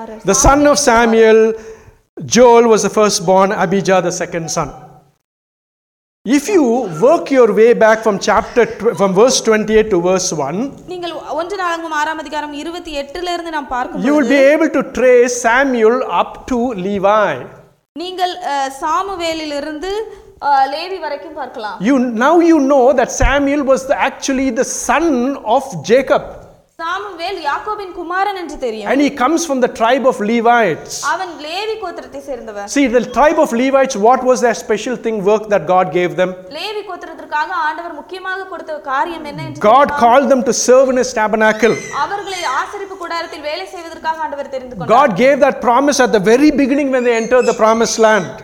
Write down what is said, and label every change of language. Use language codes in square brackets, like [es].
[en] The son of Samuel, Joel was the firstborn, Abijah the second son. If you work your way back from chapter from verse 28 to verse 1, [ta] நீங்கள் 1 நாளாகமம் 6 ஆம் அதிகாரம் 28 ல இருந்து நாம் பார்க்கும்போது, [en] you will be able to trace Samuel up to Levi. [ta] நீங்கள் சாமுவேலிலிருந்து லேவி வரைக்கும் பார்க்கலாம். [en] You now you know that Samuel was the, actually the son of Jacob. [ta] Samuel யாக்கோபின் குமாரன் என்று தெரியும். [en] And he comes from the tribe of Levites. [ta] அவன் லேவி கோத்திரத்தை சேர்ந்தவன். [en] See, the tribe of Levites, what was their special thing, work that God gave them? [ta] Levi கோத்திரத்திற்காக ஆண்டவர் முக்கியமாக கொடுத்த காரியம் என்ன என்று? [en] God called them to serve in his tabernacle. [ta] அவர்களை ஆசரிப்பு கூடாரத்தில் வேலை செய்வதற்காக ஆண்டவர் தெரிந்து கொண்டார். [en] God gave that promise at the very beginning when they entered the promised land.